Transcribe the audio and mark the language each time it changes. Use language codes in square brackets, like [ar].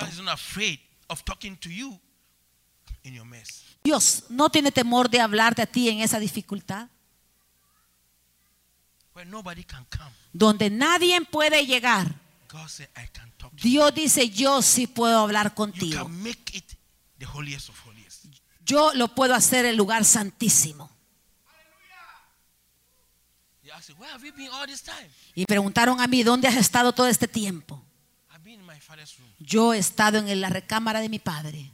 [en] God is not afraid of talking to you in your mess. [es] Dios no tiene temor de hablarte a ti en esa dificultad. [en] Where nobody can come. [es] Donde nadie puede llegar. [en] God said, I can talk to [es] Dios [en] you. [es] Dice, yo sí puedo hablar contigo. [en] You can make it the holiest of holiest. [es] Yo lo puedo hacer el lugar santísimo. [en] You ask, where have you been all this time? [es] Y preguntaron a mí, ¿dónde has estado todo este tiempo? [en] I've been in my father's room. [es] Yo he estado en la recámara de mi padre.